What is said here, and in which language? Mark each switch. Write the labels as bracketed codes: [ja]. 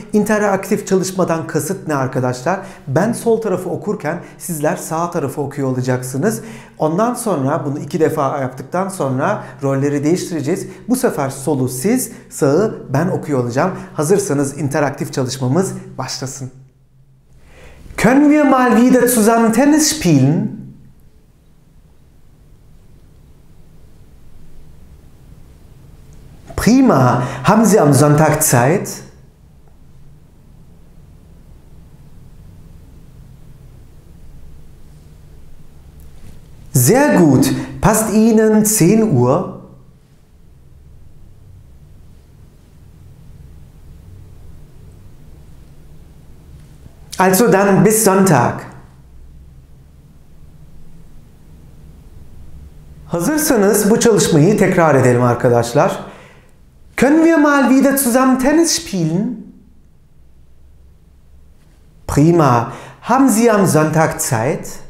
[tr] İnteraktif çalışmadan kasıt ne arkadaşlar? Ben sol tarafı okurken sizler sağ tarafı okuyor olacaksınız. Ondan sonra bunu iki defa yaptıktan sonra rolleri değiştireceğiz. Bu sefer solu siz, sağı ben okuyor olacağım. Hazırsanız interaktif çalışmamız başlasın. [de] Können wir mal wieder zusammen Tennis spielen? Prima, haben Sie am Sonntag Zeit? Sehr gut, passt Ihnen 10 Uhr? Also dann bis Sonntag. [tr] Hazırsanız bu çalışmayı tekrar edelim arkadaşlar. [de] Können wir mal wieder zusammen Tennis spielen? Prima. Haben Sie am Sonntag Zeit?